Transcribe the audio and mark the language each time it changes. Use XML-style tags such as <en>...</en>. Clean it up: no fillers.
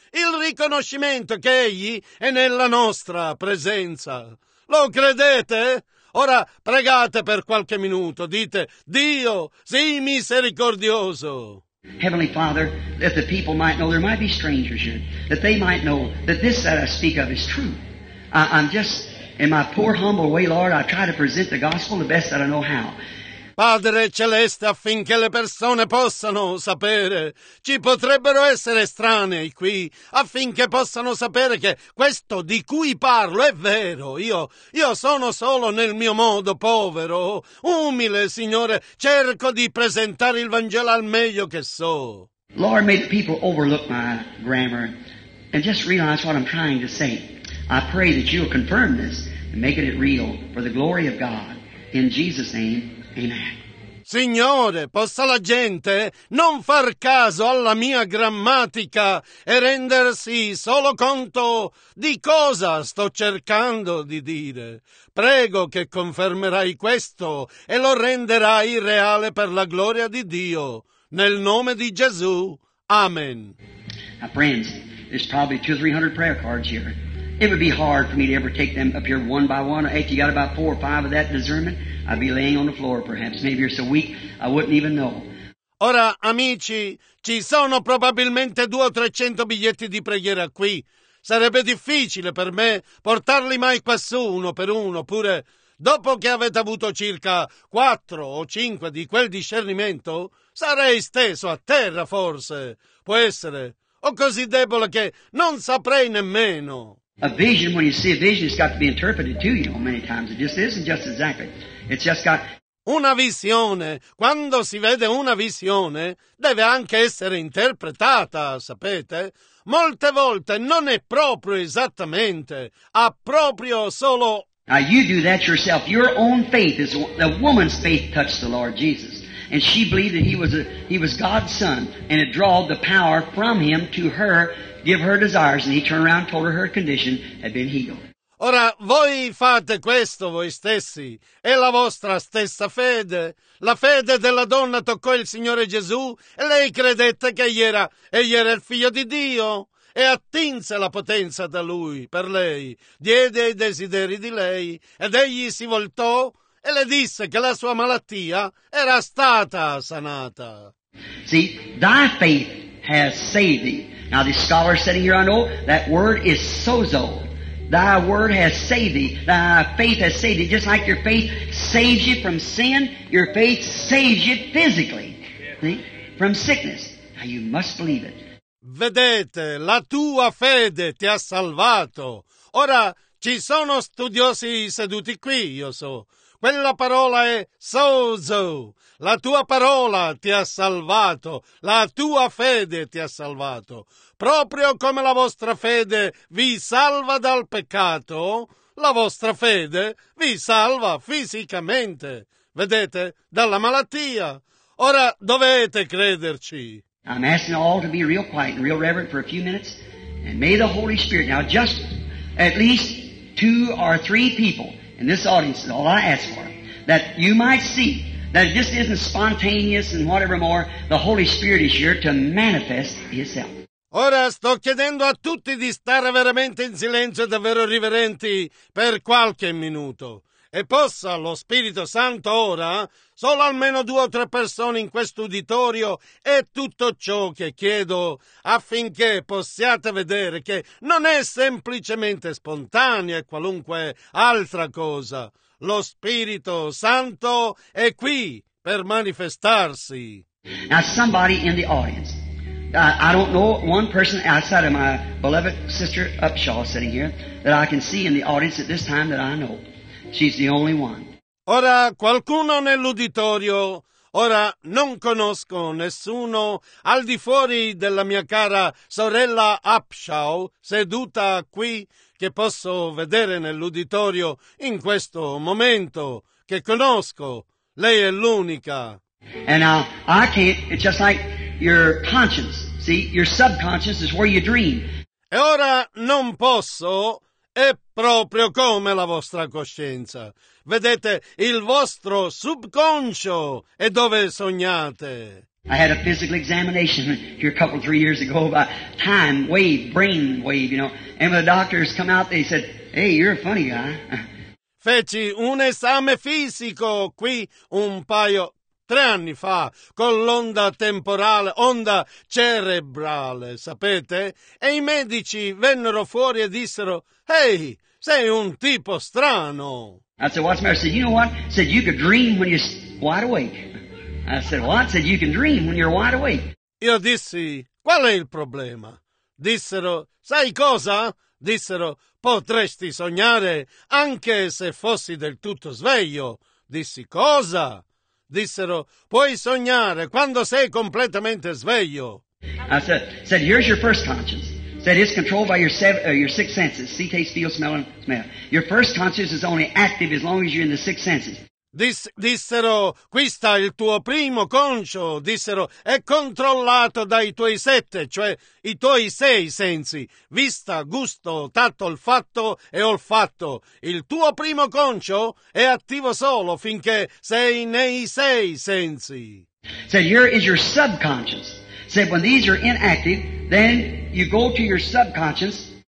<it>Il riconoscimento che egli è nella nostra presenza. Lo credete? Ora pregate per qualche minuto, dite, Dio, sii misericordioso.</it> <en>Heavenly Father, that the people might know, there might be strangers here, that they might know that this that I speak of is true. I'm just, in my poor humble way, Lord, I try to present the gospel the best that I know how.</en> <it>Padre Celeste, affinché le persone possano sapere, ci potrebbero essere estranei qui, affinché possano sapere che questo di cui parlo è vero. Io sono solo nel mio modo povero, umile, Signore, cerco di presentare il Vangelo al meglio che so.</it> <en>Lord, may the people overlook my grammar and just realize what I'm trying to say. I pray that you'll confirm this and make it real for the glory of God. In Jesus' name. Amen.</en> <it>Signore, possa la gente non far caso alla mia grammatica e rendersi solo conto di cosa sto cercando di dire. Prego che confermerai questo e lo renderai reale per la gloria di Dio. Nel nome di Gesù. Amen.</it> <en>Now friends, there's probably 200 or 300 prayer cards here. It would be hard for me to ever take them up here one by one. Hey, if you got about 4 or 5 of that discernment, I'd be laying on the floor perhaps. Maybe you're so weak, I wouldn't even know.</en> <it>Ora, amici, ci sono probabilmente 200 o 300 biglietti di preghiera qui. Sarebbe difficile per me portarli mai quassù uno per uno, pure dopo che avete avuto circa 4 o 5 di quel discernimento, sarei steso a terra forse. Può essere. O così debole che non saprei nemmeno.</it> <en>A vision, when you see a vision, it's got to be interpreted to you many times. It just isn't just exactly. It's just got...</en> <it>Una visione, quando si vede una visione, deve anche essere interpretata, sapete? Molte volte non è proprio esattamente, ha proprio solo...</it> <en>Now you do that yourself. Your own faith is... A woman's faith touched the Lord Jesus. And she believed that he was God's son. And it drawed the power from him to her... Give her desires, and he turned around, told her condition had been healed.</en> <it>Ora, voi fate questo voi stessi. È la vostra stessa fede. La fede della donna toccò il Signore Gesù, e lei credette che egli era il figlio di Dio, e attinse la potenza da lui, per lei, diede i desideri di lei, ed egli si voltò e le disse che la sua malattia era stata sanata.</it> <en>See, thy faith has saved thee. Now the scholar sitting here, I know that word is sozo. Thy word has saved thee. Thy faith has saved thee. Just like your faith saves you from sin, your faith saves you physically. See? From sickness. Now you must believe it.</en> <it>Vedete, la tua fede ti ha salvato. Ora, ci sono studiosi seduti qui, io so. Quella parola è sozo. La tua parola ti ha salvato, la tua fede ti ha salvato. Proprio come la vostra fede vi salva dal peccato, la vostra fede vi salva fisicamente, vedete, dalla malattia. Ora dovete crederci.</it> <en>I'm asking all to be real quiet and real reverent for a few minutes, and may the Holy Spirit, now just at least 2 or 3 people in this audience, all I ask for, that you might see that this isn't spontaneous and whatever more, the Holy Spirit is here to manifest himself.</en> <it>Ora sto chiedendo a tutti di stare veramente in silenzio e davvero riverenti per qualche minuto. E possa lo Spirito Santo ora, solo almeno 2 o 3 persone in questo uditorio, è tutto ciò che chiedo affinché possiate vedere che non è semplicemente spontanea qualunque altra cosa. Lo Spirito Santo è qui per manifestarsi.</it> <en>Now somebody in the audience, I don't know one person outside of my beloved sister Upshaw sitting here that I can see in the audience at this time that I know. She's the only one.</en> <it>Ora qualcuno nell'uditorio, ora non conosco nessuno al di fuori della mia cara sorella Upshaw seduta qui, che posso vedere nell'uditorio in questo momento, che conosco. Lei è l'unica.</it> <en>And now, I can't, it's just like your conscience, see, your subconscious is where you dream.</en> <it>E ora non posso, è proprio come la vostra coscienza. Vedete, il vostro subconscio è dove sognate.</it> <en>I had a physical examination here a couple, 3 years ago about time, wave, brain wave, you know. And when the doctors come out, they said, hey, you're a funny guy.</en> <it>Feci un esame fisico qui un paio, 3 anni fa, con l'onda temporale, onda cerebrale, sapete? E i medici vennero fuori e dissero, hey, sei un tipo strano.</it> <en>I said, what's the matter? I said, you know what? I said, you could dream when you're wide awake. I said, what? I said, you can dream when you're wide awake.</en> <it>Io dissi, qual è il problema? Dissero, sai cosa? Dissero, potresti sognare anche se fossi del tutto sveglio. Dissi, cosa? Dissero, puoi sognare quando sei completamente sveglio.</it> <en>I said, here's your first conscience. Said, it's controlled by your 6 senses. See, taste, feel, smell, and smell. Your first conscience is only active as long as you're in the 6 senses.</en> <it>Dissero, qui sta il tuo primo concio, dissero, è controllato dai tuoi sette, cioè i tuoi sei sensi, vista, gusto, tatto, olfatto e olfatto. Il tuo primo concio è attivo solo finché sei nei sei sensi.</it> <en>Said, here is your subconscious. Said, when these are inactive, then you go to your subconscious.</en>